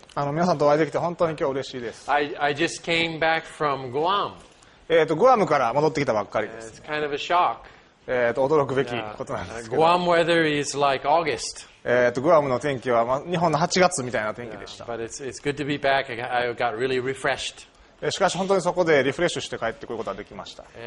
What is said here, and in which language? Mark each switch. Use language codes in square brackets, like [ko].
[ja] 皆さんとお会いできて本当に今日嬉しいです。 [en] I just came back from Guam. [ja] グアムから戻ってきたばっかりです。 [en] It's kind of a shock. [ja] 驚くべきことなんですけど。 [en] Guam weather is like August. [ja] グアムの天気は日本の8月みたいな天気でした。 [en] But it's good to be back. I got really refreshed. [ja] しかし本当にそこでリフレッシュして帰ってくることができました。